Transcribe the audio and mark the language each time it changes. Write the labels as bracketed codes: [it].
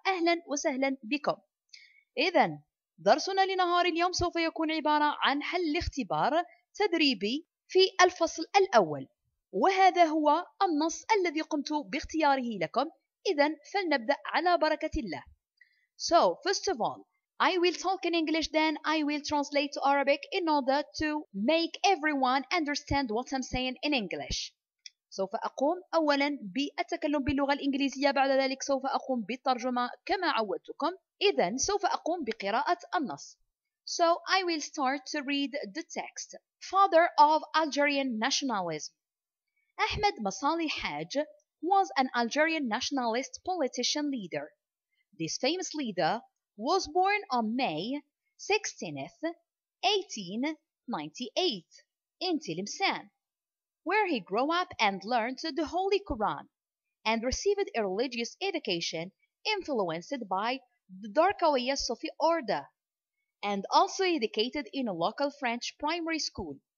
[ar] أهلا وسهلا بكم. إذن درسنا لنهار اليوم سوف يكون عبارة عن حل اختبار تدريبي في الفصل الأول، وهذا هو النص الذي قمت باختياره لكم. إذن فلنبدأ على بركة الله. [en] So first of all, I will talk in English, then I will translate to Arabic in order to make everyone understand what I'm saying in English. [ar] سوف أقوم أولاً بالتكلم باللغة الإنجليزية، بعد ذلك سوف أقوم بالترجمة كما عودتكم. إذن سوف أقوم بقراءة النص. [en] So I will start to read the text. Father of Algerian nationalism. Ahmed Massali Hajj was an Algerian nationalist politician leader. This famous leader was born on May 16th, 1898, in Tlemcen, where he grew up and learned the Holy Quran and received a religious education influenced by the Darqawiyya Sufi order and also educated in a local French primary school.